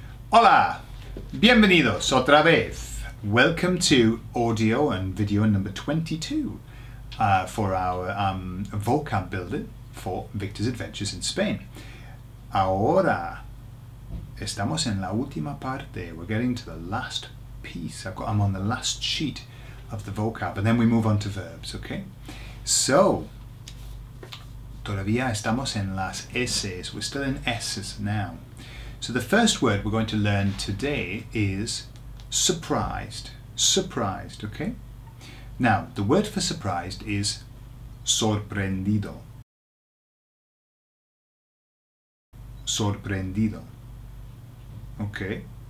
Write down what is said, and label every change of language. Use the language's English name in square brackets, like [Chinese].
[Spanish] Hola, bienvenidos otra vez. [English] Welcome to audio and video number 22 for our vocab building for Victor's Adventures in Spain. [Spanish] Ahora, estamos en la última parte. [English] We're getting to the last piece. I'm on the last sheet of the vocab, and then we move on to verbs, okay? [Spanish] So, todavía estamos en las S's. [English] We're still in S's now. So the first word we're going to learn today is surprised. Surprised, okay? Now, the word for surprised is sorprendido. [Spanish] Sorprendido. Okay?